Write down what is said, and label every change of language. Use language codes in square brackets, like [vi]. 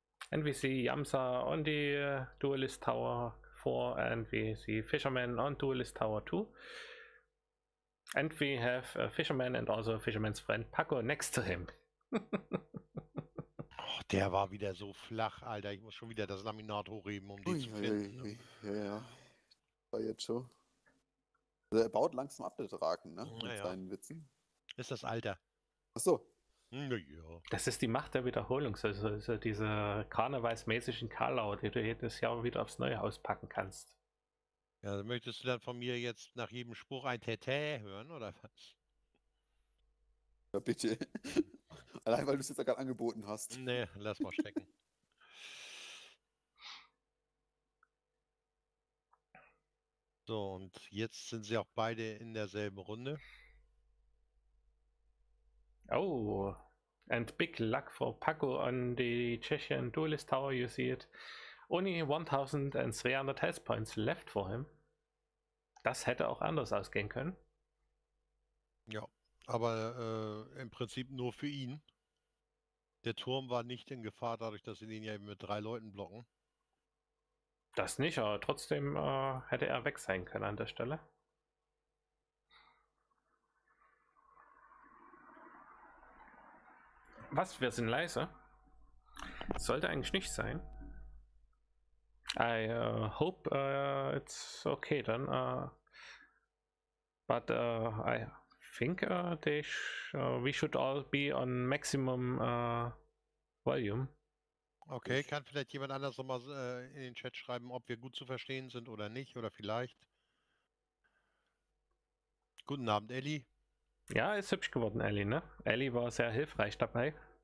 [en] And we see Yamsa on the Duelist Tower 4, and we see Fisherman on Duelist Tower 2. And we have a Fisherman and also a Fisherman's friend Paco next to him. [de] Oh, der war wieder so flach, Alter. Ich muss schon wieder das Laminat hochheben, um die zu finden. Ja. War jetzt schon. Also er baut langsam ab, der Draken, ne? Mit seinen Witzen. Ist das Alter. Achso. Naja. Das ist die Macht der Wiederholung. Also diese karnevalsmäßigen Karlauer, die du jedes Jahr wieder aufs neue Haus packen kannst. Ja, möchtest du dann von mir jetzt nach jedem Spruch ein Tätä hören, oder was? Ja, bitte. Allein, weil du es jetzt gerade angeboten hast. Nee, lass mal stecken. So, und jetzt sind sie auch beide in derselben Runde. [en] Oh, and big luck for Paco on the Tschechian Duelist Tower, you see it. Only 1300 health points left for him. [de] Das hätte auch anders ausgehen können. Ja, aber im Prinzip nur für ihn. Der Turm war nicht in Gefahr, dadurch, dass sie ihn ja eben mit drei Leuten blocken. Das nicht, aber trotzdem hätte er weg sein können an der Stelle. Was? Wir sind leise. Sollte eigentlich nicht sein. [en] I hope it's okay then. But I think we should all be on maximum volume. [de] Okay, kann vielleicht jemand anders nochmal in den Chat schreiben, ob wir gut zu verstehen sind oder nicht, oder vielleicht. Guten Abend, Ellie. Ja, ist hübsch geworden, Ellie, ne? Ellie war sehr hilfreich dabei.